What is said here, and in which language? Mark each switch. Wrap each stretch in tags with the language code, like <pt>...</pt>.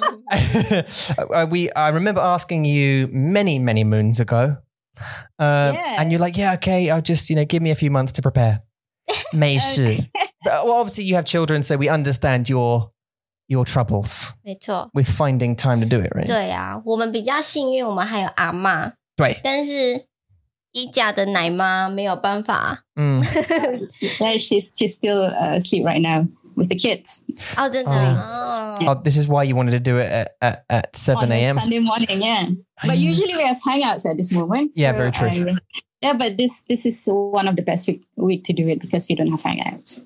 <en>I remember asking you many, many moons ago, and you're like, yeah, okay, I'll just, you know, give me a few months to prepare.</en> <zh>Mei shi.</zh> <en>Okay. Well, obviously you have children, so we understand your troubles.</en> <zh>没错。</zh> <en>With finding time to do it, right?</en> <zh>对啊，我们比较幸运，我们还有阿嬷。对。但是一家的奶妈没有办法。</zh> <en>she's still asleep right now with the kids.</en> <zh>Oh, 真的。</zh> <en>Oh, this is why you wanted to do it at 7 a.m. Sunday morning, yeah. But usually we have hangouts at this moment. Yeah, so very true. But this is one of the best week to do it because we don't have hangouts.</en>